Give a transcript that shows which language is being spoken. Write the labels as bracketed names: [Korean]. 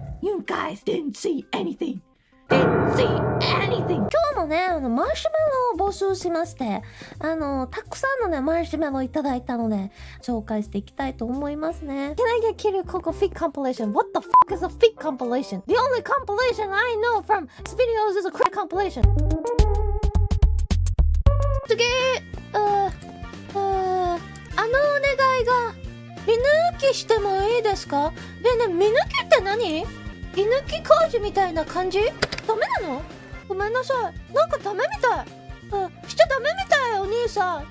[English] You guys didn't see anything! Didn't see anything! Come on! [Japanese] ね、マシュマロを募集しまして、たくさんのね、マシュマロをいただいたので、紹介していきたいと思いますね。 [English] Can I get Kiryu Coco feet compilation? What the fuck is a feet compilation? The only compilation I know from videos is a crit compilation. [Japanese] 次、あのお願いが、見抜きしてもいいですか？でね、見抜きって何？居抜き工事みたいな感じ？ダメなの？ごめんなさい。なんかダメみたい。しちゃダメみたい、お兄さん。